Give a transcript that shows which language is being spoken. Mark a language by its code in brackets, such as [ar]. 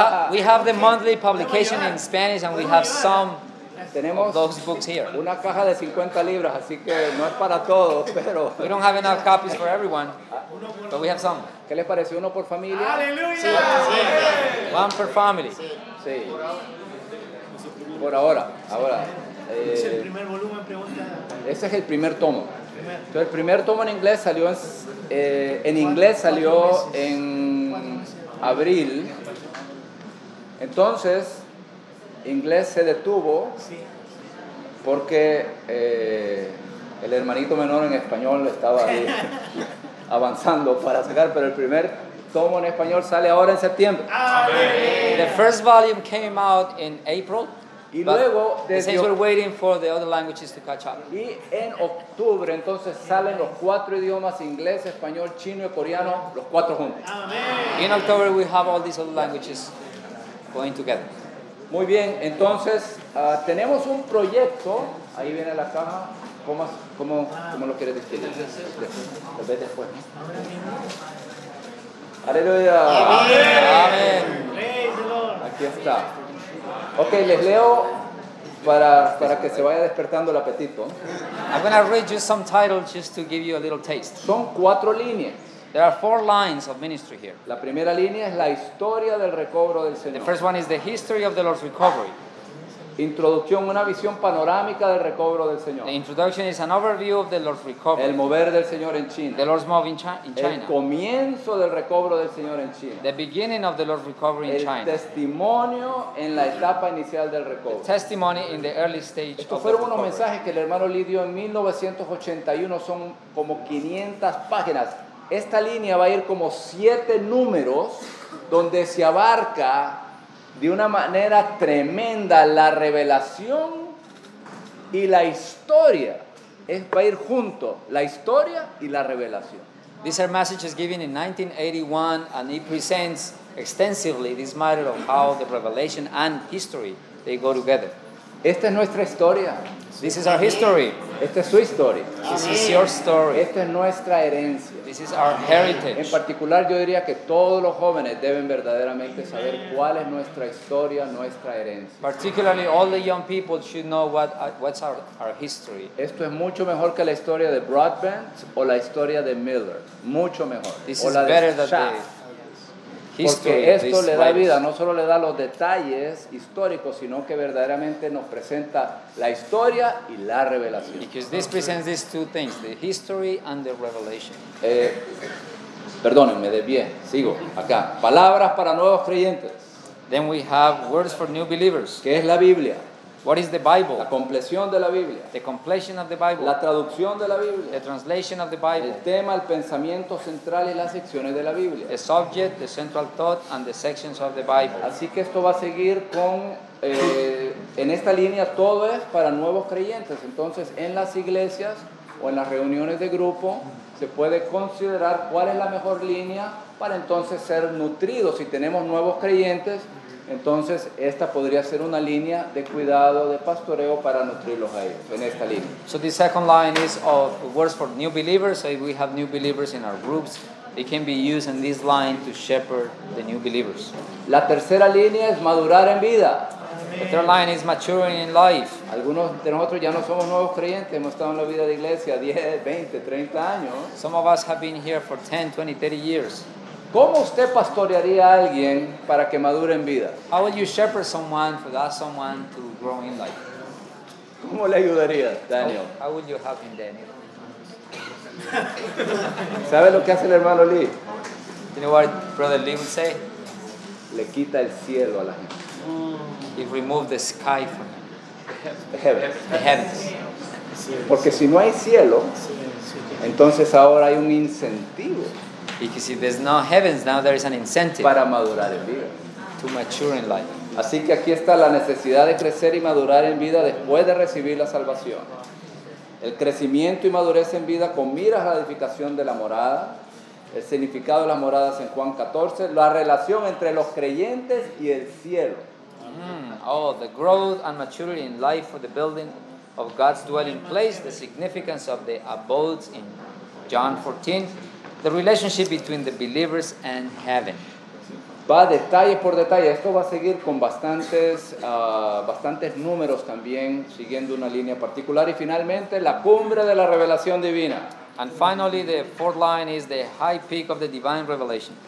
[en] We have the monthly publication in Spanish and we have some. [es] Tenemos [en] those books here. [es] Una caja de 50 libras, así que no es para todos, pero... [en] We don't have enough copies for everyone, but we have some. [es] ¿Qué les parece? ¿Uno por familia? ¡Aleluya! [en] Sí. One per family. [es] Sí. Por ahora. Ahora. ¿Es el primer volumen? Pregunta. Ese es el primer tomo. Entonces, el primer tomo en inglés salió en abril. Entonces... Inglés se detuvo porque el hermanito menor en español estaba ahí avanzando para sacar, pero el primer tomo en español sale ahora en septiembre. [en] The first volume came out in April. [es] Y luego [en] desde we're waiting for the other languages to catch up. [es] Y en octubre entonces salen los cuatro idiomas, inglés, español, chino y coreano, los cuatro juntos. [en] In October we have all these other languages going together. [es] Muy bien, entonces tenemos un proyecto. Ahí viene la caja. ¿Cómo lo quieres describir? Tal vez después. Aleluya. Amén. Aquí está. Ok, les leo para que se vaya despertando el apetito. [en] I'm going to read you some titles just to give you a little taste. [es] Son cuatro líneas. [en] There are four lines of ministry here. [es] La primera línea es la historia del recobro del Señor. [en] The first one is the history of the Lord's recovery. [es] Introducción, una visión panorámica del recobro del Señor. [en] The introduction is an overview of the Lord's recovery. [es] El mover del Señor en China. [en] The Lord's move in China. [es] El comienzo del recobro del Señor en China. [en] The beginning of the Lord's recovery in China. [es] El testimonio en la etapa inicial del recobro. [en] The testimony in the early stage. [es] Estos fueron unos mensajes que el hermano Lee dio en 1981, son como 500 páginas. Esta línea va a ir como 7 números donde se abarca de una manera tremenda la revelación y la historia. Es va a ir junto la historia y la revelación. [en] These are messages given in 1981 and it presents extensively this matter of how the revelation and history they go together. [es] Esta es nuestra historia. [en] This is our history. [es] Esta es su historia. [en] This is your story. [es] Esta es nuestra herencia. [en] This is our heritage. [es] En particular, yo diría que todos los jóvenes deben verdaderamente saber cuál es nuestra historia, nuestra herencia. [en] Particularly, all the young people should know what's our history. [es] Esto es mucho mejor que la historia de Broadbent o la historia de Miller. Mucho mejor. [en] This [es] o [en] is [es] la [en] better [es] de [en] than Schaff. The [es] porque esto le da vida, no solo le da los detalles históricos, sino que verdaderamente nos presenta la historia y la revelación. [en] Because this presents these two things, the history and the revelation. [es] Perdónenme, me desvié, sigo acá. Palabras para nuevos creyentes. [en] Then we have words for new believers. [es] ¿Qué es la Biblia? [en] What is the Bible? [es] La compleción de la Biblia. [en] The completion of the Bible. [es] La traducción de la Biblia. [en] The translation of the Bible. [es] El tema, el pensamiento central y las secciones de la Biblia. [en] The subject, the central thought, and the sections of the Bible. [es] Así que esto va a seguir con, en esta línea, todo es para nuevos creyentes. Entonces, en las iglesias o en las reuniones de grupo, se puede considerar cuál es la mejor línea para entonces ser nutrido. Si tenemos nuevos creyentes, entonces esta podría ser una línea de cuidado, de pastoreo para nutrirlos a ellos en esta línea. [en] So the second line is of words for new believers. So if we have new believers in our groups, it can be used in this line to shepherd the new believers. [es] La tercera línea es madurar en vida. [en] The third line is maturing in life. [es] Algunos de nosotros ya no somos nuevos creyentes, hemos estado en la vida de iglesia 10, 20, 30 años. [en] Some of us have been here for 10, 20, 30 years. [es] ¿Cómo usted pastorearía a alguien para que madure en vida? [en] How would you shepherd someone for that someone to grow in life? [es] ¿Cómo le ayudaría, Daniel? [en] How would you help him, Daniel? [es] ¿Sabe lo que hace el hermano Lee? [en] You know what Brother Lee would say? [es] Le quita el cielo a la gente. [en] He removed the sky from him. The heavens. [es] Porque si no hay cielo, entonces ahora hay un incentivo. [en] Because if there's no heavens, now there is an incentive [es] para madurar en vida. [en] To mature in life. [es] Así que aquí está la necesidad de crecer y madurar en vida después de recibir la salvación. El crecimiento y madurez en vida con miras a la edificación de la morada. El significado de las moradas en Juan 14. La relación entre los creyentes y el cielo. [en] The growth and maturity in life for the building of God's dwelling place. The significance of the abodes in John 14. The relationship between the believers and heaven. [es] Va detalle por detalle. Esto va a seguir con bastantes números también, siguiendo una línea particular. Y finalmente, la cumbre de la revelación divina. [en] And finally, the fourth line is the high peak of the divine revelation.